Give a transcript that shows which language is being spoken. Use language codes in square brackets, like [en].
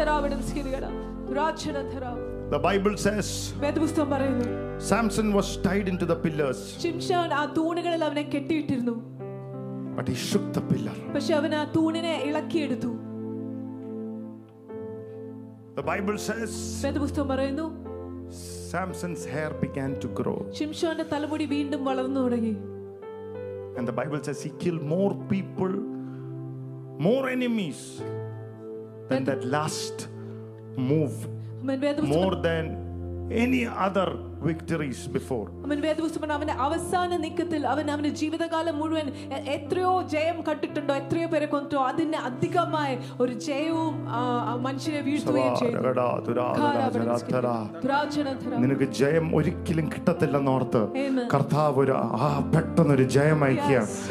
[en] The Bible says Samson was tied into the pillars. [ml] ശിംശോൻ ആ തൂണുകളിൽ അവനെ കെട്ടിയിട്ടിരുന്നു. [en] But he shook the pillar. [ml] പക്ഷെ അവൻ ആ തൂണിനെ ഇളക്കിയെടുത്തു. [en] The Bible says [ml] വേദപുസ്തകം പറയുന്നു [en] Samson's hair began to grow. [ml] ശിംശോന്റെ തലമുടി വീണ്ടും വളർന്നു തുടങ്ങി. [en] And the Bible says he killed more people, more enemies than that last move. More than any other victories before. [ml] അവൻ വേദപുസ്തകം അവന്റെ അവസാന നിക്കത്തിൽ അവൻ അവന്റെ ജീവിതകാലം മുഴുവൻ എത്രയോ ജയം കണ്ടിട്ടുണ്ടോ, എത്രയോ പേരെ കൊന്നിട്ടോ, അതിന് അധികമായ ഒരു ജയവും മനുഷ്യനെ വീഴ്ത്തുകയും നിനക്ക് ജയം ഒരിക്കലും കിട്ടത്തില്ലെന്ന് ഓർത്ത് കർത്താവ് ഒരു പെട്ടെന്ന് ഒരു ജയം അയക്കുകയാണ്.